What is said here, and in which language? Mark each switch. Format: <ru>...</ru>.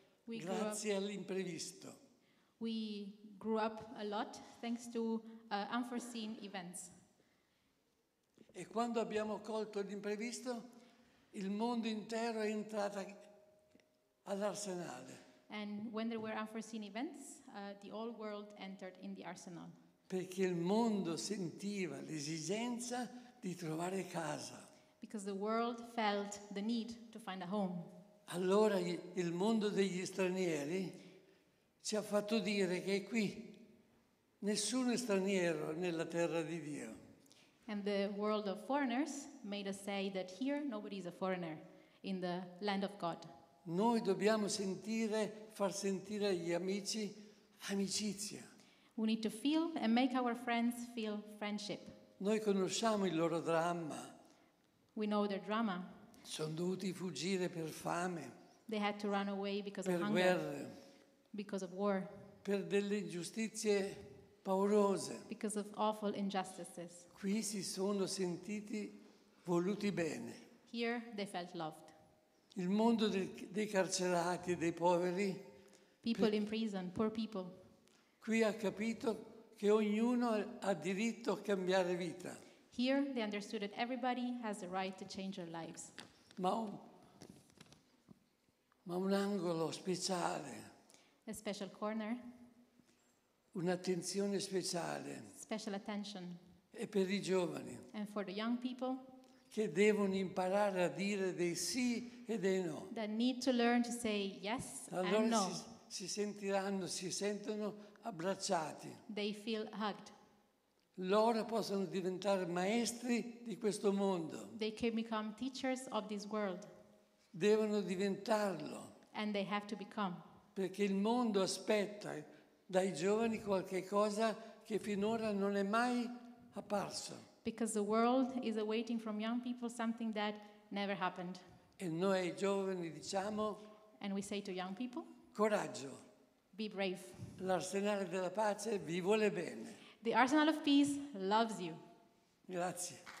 <en>We</en> <it>grazie all'imprevisto.</it> <en>We grew up a lot thanks to unforeseen events.</en> <it>E quando abbiamo colto l'imprevisto, il mondo intero è entrato all'arsenale.</it> <en>And when there were unforeseen events, the whole world entered in the arsenal.</en> <it>Perché il mondo sentiva l'esigenza di trovare casa.</it> <en>Because the world felt the need to find a home.</en> <it>Allora il mondo degli stranieri ci ha fatto dire che qui nessuno è straniero nella terra di Dio.</it> <en>And the world of foreigners made us say that here nobody is a foreigner in the land of God.</en> <it>Noi dobbiamo sentire, far sentire agli amici amicizia.</it> <en>We need to feel and make our friends feel friendship.</en> <it>Noi conosciamo il loro dramma.</it> <en>We know their drama.</en> <it>Sono dovuti fuggire per fame.</it> <en>They had to run away because</en> <it>per</it> <en>of hunger.</en> <it>Guerre,</it> <en>because of war.</en> <it>Per delle ingiustizie paurose.</it> <en>Because of awful injustices.</en> <it>Qui si sono sentiti voluti bene.</it> <en>Here they felt loved.</en> <it>Il mondo dei carcerati e dei poveri.</it> <en>People in prison, poor people.</en> <it>Qui ha capito che ognuno ha diritto a cambiare vita.</it> <en>Here they understood that everybody has the right to change their lives.</en> <it>Ma un angolo speciale.</it> <en>A special corner.</en> <it>Un'attenzione speciale.</it> <en>Special attention.</en> <it>E per i giovani.</it> <en>And for the young people.</en> <it>Che devono imparare a dire dei sì e dei no.</it> <en>That need to learn to say yes</en> <it>allora</it> <en>and no.</en> <it>Si sentono abbracciati.</it> <en>They feel hugged.</en> <it>Loro possono diventare maestri di questo mondo.</it> <en>They can become teachers of this world.</en> <it>Devono diventarlo.</it> <en>And they have to become.</en> <it>Perché il mondo aspetta dai giovani qualche cosa che finora non è mai apparso.</it> <en>Because the world is awaiting from young people something that never happened.</en> <it>E noi ai giovani diciamo.</it> <en>And we say to young people.</en> <it>Coraggio.</it> <en>Be brave.</en> <it>L'arsenale della pace vi vuole bene.</it> <en>The Arsenal of Peace loves you.</en> <it>Grazie.</it>